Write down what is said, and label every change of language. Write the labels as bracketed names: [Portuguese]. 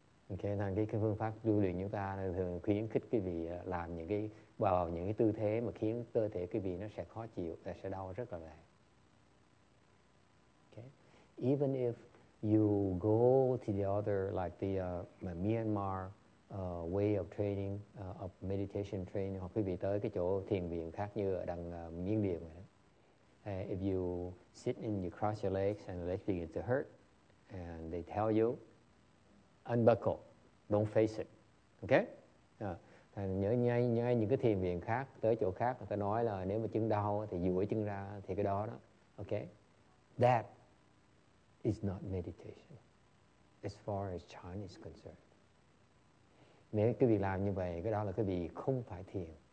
[Vietnamese] Okay, thằng cái phương pháp tu luyện chúng ta thường khuyến khích cái vị làm những cái vào những cái tư thế mà khiến cơ thể cái vị nó sẽ khó chịu, sẽ đau rất là lẹ. [English] Okay, even if you go to the other, like the Myanmar way of training, of meditation training, [Vietnamese] hoặc quý vị tới cái chỗ thiền viện khác như ở đằng Miên Điện. [English] If you sit and you cross your legs and the legs begin to hurt, and they tell you, unbuckle, don't face it, okay? [Vietnamese] Ngay những cái thiền viện khác, tới chỗ khác, người ta nói là nếu mà chân đau thì duỗi chân ra, thì cái đó, okay? [English] That is not meditation, as far as Chan is concerned. [Vietnamese] Nếu cái việc làm như vậy, cái đó là cái việc không phải thiền.